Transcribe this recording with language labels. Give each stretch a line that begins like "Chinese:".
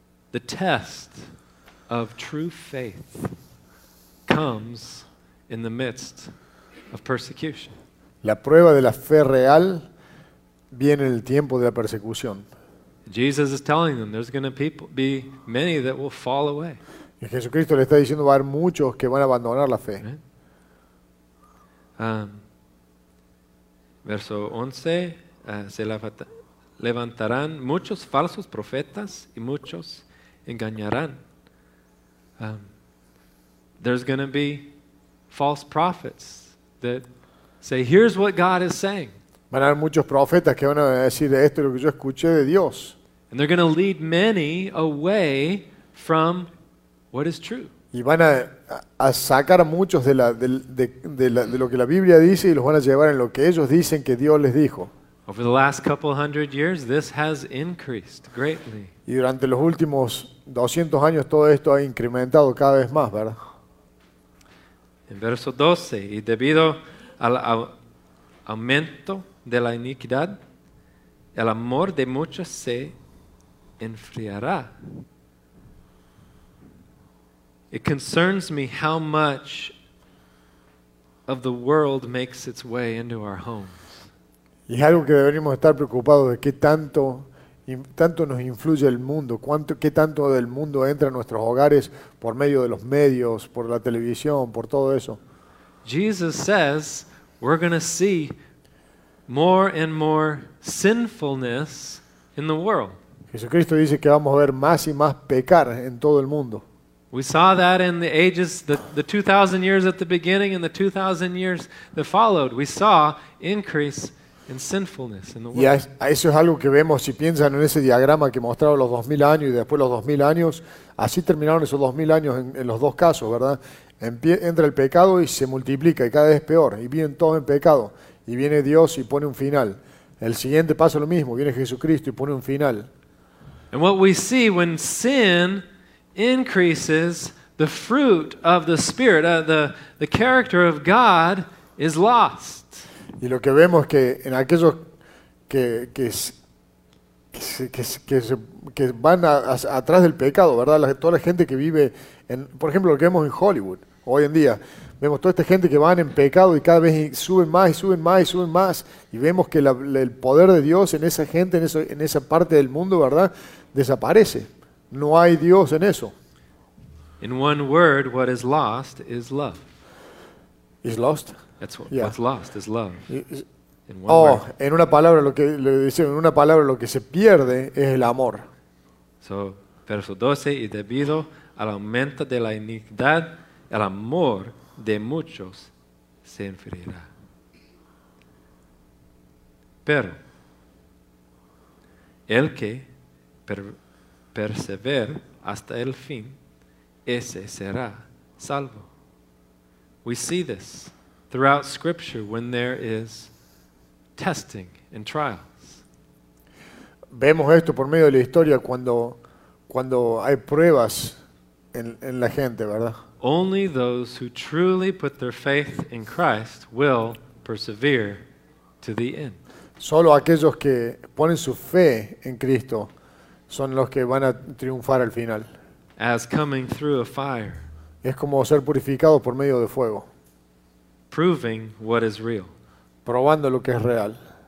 English: The test of true faith comes in the midst of persecution.
Spanish: La prueba de la fe real viene en el tiempo de la persecución.
English: Jesus is telling them there's going to be many that will fall away.
Spanish: Y Jesucristo le está diciendo va a haber muchos que van a abandonar la fe. Verso 11, se levantarán muchos falsos profetas y muchos engañarán.
English: there's going to be false prophets that say, here's what God is saying.
Spanish: Van a haber muchos profetas que van a decir, esto es lo que yo escuché de Dios.
English: And they're going to lead many away from what is true.
Spanish: Y van a sacar a muchos de, la, de, de, de, la, de lo que la Biblia dice y los van a llevar en lo que ellos dicen que Dios les dijo.
English: Over the last couple hundred years, this has increased greatly.
Spanish: Y durante los últimos 200 años, todo esto ha incrementado cada vez más, ¿verdad? En verso 12, y debido al aumento de la iniquidad, el amor de muchos se enfriará.
English: It concerns me how much of the world makes its way into our homes.
Spanish: Y es algo que deberíamos estar preocupados de qué tanto, tanto nos influye el mundo, cuánto, qué tanto del mundo entra a nuestros hogares por medio de los medios, por la televisión, por todo eso.
English: Jesus says we're going to see more and more sinfulness in the world.
Spanish: Jesucristo dice que vamos a ver más y más pecar en todo el mundo.
English: We saw that in the ages, the 2,000 years at the beginning and the 2,000 years that followed. We saw increase in sinfulness in the world.
Spanish: Y a eso es algo que vemos, si piensan en ese diagrama que mostraba los 2,000 años y después los 2,000 años, así terminaron esos 2,000 años en los dos casos, ¿verdad? Entra el pecado y se multiplica y cada vez peor. Y viven todos en pecado. Y viene Dios y pone un final. El siguiente paso es lo mismo. Viene Jesucristo y pone un final.
English: And what we see when sin increases, the fruit of the Spirit, the character of God is lost.
Spanish: Y lo que vemos que en aquellos que van atrás del pecado, ¿verdad? Toda la gente que vive en, por ejemplo, lo que vemos en Hollywood hoy en día, vemos toda esta gente que van en pecado y cada vez suben más y suben más y suben más, y vemos que el poder de Dios en esa gente, en esa parte del mundo, ¿verdad? Desaparece. No hay Dios en eso.
English: In one word, what is lost is love. Is lost? That's what, yeah. What's lost is love. In one word.
Spanish: En una palabra lo que le dice, en una palabra lo que se pierde es el amor. So, verso 12, y debido al aumento de la iniquidad, el amor de muchos se enfriará. Pero el que persevera hasta el fin, ese será salvo.
English: We see this throughout Scripture when there is testing and trials.
Spanish: Vemos esto por medio de la historia cuando hay pruebas en la gente, ¿verdad?
English: Only those who truly put their faith in Christ will persevere to the end.
Spanish: Solo aquellos que ponen su fe en Cristo son los que van a triunfar al final.
English: As coming through a fire.
Spanish: Es como ser purificado por medio de fuego.
English: Proving what is real.
Spanish: Probando lo que es real.